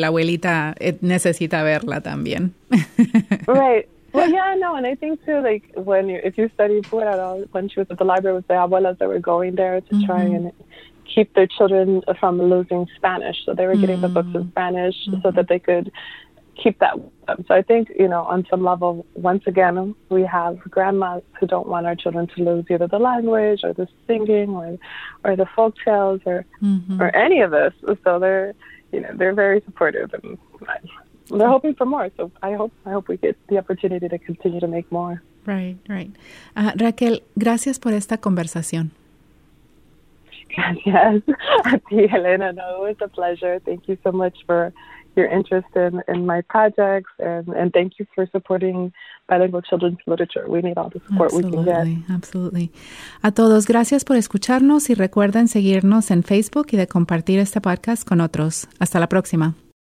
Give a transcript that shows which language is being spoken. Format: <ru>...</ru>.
<es>La abuelita necesita verla también.</es> <en>Right. Well, and I think too, like if you study Puerto, when she was at the library with the abuelas that were going there to try and keep their children from losing Spanish. So they were getting the books in Spanish so that they could keep that. So I think, you know, on some level, once again, we have grandmas who don't want our children to lose either the language or the singing or the folk tales or any of this. So they're very supportive and they're hoping for more, so I hope we get the opportunity to continue to make more. Right.</en> <es>Raquel, gracias por esta conversación. Gracias a ti,</es> <en>Elena. No, it was a pleasure. Thank you so much for your interest in my projects, and thank you for supporting bilingual children's literature. We need all the support absolutely, we can get. Absolutely.</en> <es>A todos, gracias por escucharnos y recuerden seguirnos en Facebook y de compartir este podcast con otros. Hasta la próxima.</es>